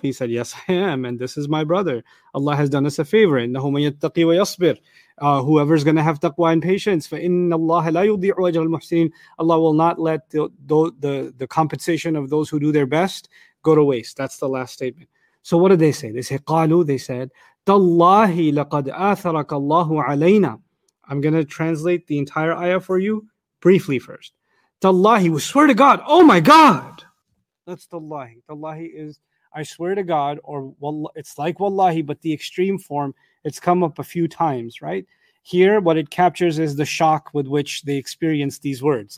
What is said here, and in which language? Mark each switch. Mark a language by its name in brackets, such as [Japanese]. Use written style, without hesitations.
[English] He said, yes, I am. And this is my brother. Allah has done us a favor. [Arabic] إِنَّهُ مَنْ يَتَّقِي وَيَصْبِرْ. [English] Whoever's going to have taqwa and patience. [Arabic] فَإِنَّ اللَّهَ لَا يُضِيعُ أَجْرَ الْمُحْسِنِينَ. [English] Allah will not let the compensation of those who do their best go to waste. That's the last statement. So what did they say? They say, [Arabic] قالوا, [English] they said, [Arabic] تَاللَّهِ لَقَدْ آثَرَكَ اللَّهُ عَلَيْنَا. [English] I'm going to translate the entire ayah for you briefly first. تَاللَّهِ, we swear to God, oh my God. That's تَاللَّهِ. تَاللَّهِ is, I swear to God, or it's like wallahi, but the extreme form, it's come up a few times, right? Here, what it captures is the shock with which they experience these words.